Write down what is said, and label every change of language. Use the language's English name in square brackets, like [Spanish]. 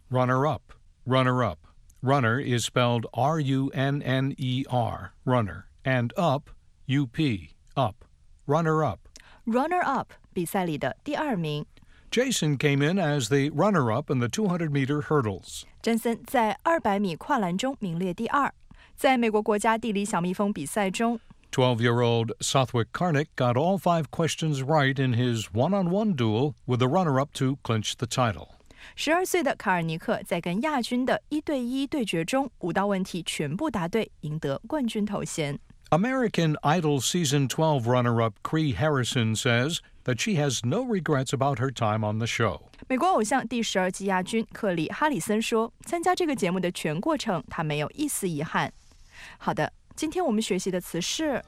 [English] runner-up, runner-up. Runner is spelled R-U-N-N-E-R, runner, and up, U-P, up, runner-up. [Chinese] Runner-up, 比赛里的第二名。 [English] Jason came in as the runner-up in the 200-meter hurdles. [Chinese] Jason 在200米跨栏中名列第二。在美国国家地理小蜜蜂比赛中 [English] 12-year-old Southwick Karnick got all five questions right in his one-on-one duel with the runner-up to clinch the title. [Chinese] 十二岁的卡尔尼克在跟亚军的一对一对决中，五道问题全部答对，赢得冠军头衔。 [English] American Idol Season 12 runner-up Cree Harrison says that she has no regrets about her time on the show. [Chinese] 美国偶像第十二季亚军克里·哈里森说，参加这个节目的全过程，他没有一丝遗憾。好的，今天我们学习的词是